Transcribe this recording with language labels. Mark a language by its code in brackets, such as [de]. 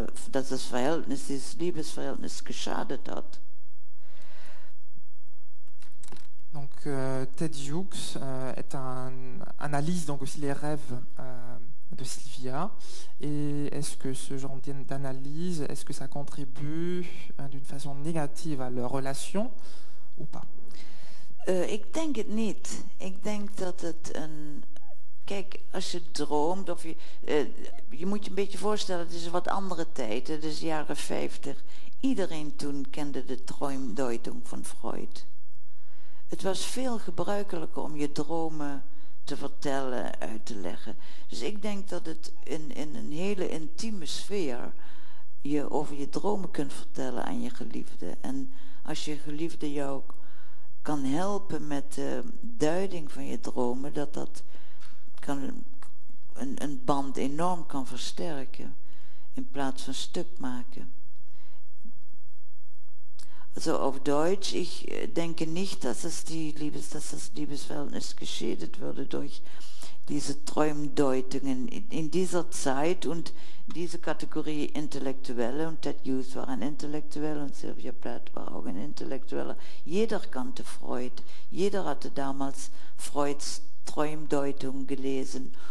[de] dass das Verhältnis, dieses Liebesverhältnis geschadet hat. [fr] Donc Ted Hughes est un analyse donc aussi les rêves de Sylvia. Et est-ce que ce genre d'analyse, est-ce que ça contribue d'une façon négative à leur relation ou pas? [nl] Ik denk het niet. Ik denk dat het een... Kijk, als je droomt of je... je moet je een beetje voorstellen, het is een wat andere tijd. Het is jaren 50. Iedereen toen kende de Traumdeutung van Freud. Het was veel gebruikelijker om je dromen te vertellen, uit te leggen. Dus ik denk dat het in een hele intieme sfeer... je over je dromen kunt vertellen aan je geliefde. En als je geliefde jou kan helpen met de duiding van je dromen, dat kan een band enorm kan versterken in plaats van stuk maken. [de] Also auf Deutsch, ich denke nicht, dass das Liebesverhältnis geschädigt würde durch diese Träumdeutungen. In dieser Zeit und diese Kategorie Intellektuelle, und Ted Hughes war ein Intellektueller und Sylvia Plath war auch ein Intellektueller, jeder kannte Freud, jeder hatte damals Freuds Träumdeutung gelesen.